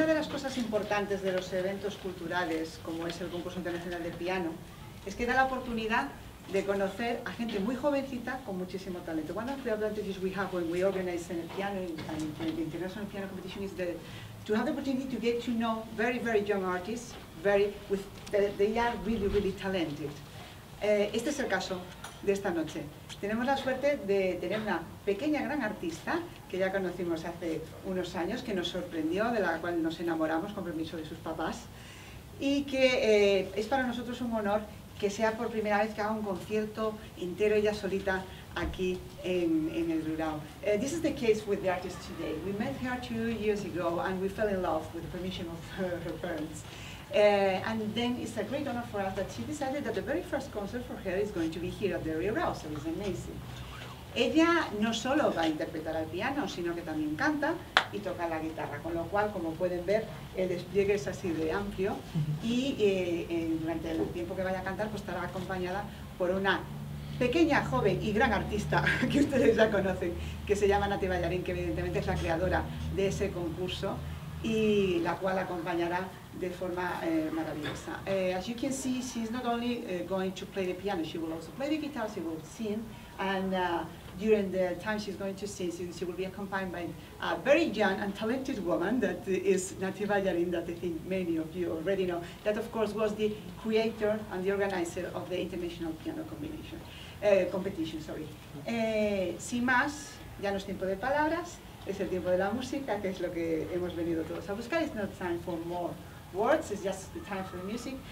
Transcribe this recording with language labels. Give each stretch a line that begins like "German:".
Spanish: cosas importantes de los eventos culturales, como es el Concurso Internacional de Piano, es que da la oportunidad de conocer a gente muy jovencita con muchísimo talento.
English: One of the advantages we have when we organize a piano and international piano competition is that to have the opportunity to get to know very, very young artists, they are really, really talented.
Spanish: Este es el caso de esta noche. Tenemos la suerte de tener una pequeña gran artista que ya conocimos hace unos años, que nos sorprendió, de la cual nos enamoramos con permiso de sus papás, y que es para nosotros un honor que sea por primera vez que haga un concierto entero ella solita aquí en el Rurao.
English: This is the case with the artist today. We met her 2 years ago and we fell in love with the permission of her parents. And then it's a great honor for us that she decided that the very first concert for her is going to be here at the Rurao, so it's amazing.
Spanish: Ella no solo va a interpretar al piano, sino que también canta y toca la guitarra, con lo cual, como pueden ver, el despliegue es así de amplio y durante el tiempo que vaya a cantar, pues estará acompañada por una pequeña, joven y gran artista que ustedes ya conocen, que se llama Naty Ballarín, que evidentemente es la creadora de ese concurso y la cual acompañará de forma maravillosa.
English: As you can see, she's not only going to play the piano, she will also play the guitar, she will sing, and during the time she's going to sing, she will be accompanied by a very young and talented woman that is Naty Ballarín, that I think many of you already know, that of course was the creator and the organizer of the International Piano Combination, Competition. Sorry.
Spanish: Sin más, ya no es tiempo de palabras, es el tiempo de la música, que es lo que hemos venido todos a buscar.
English: It's not time for more words, it's just the time for the music.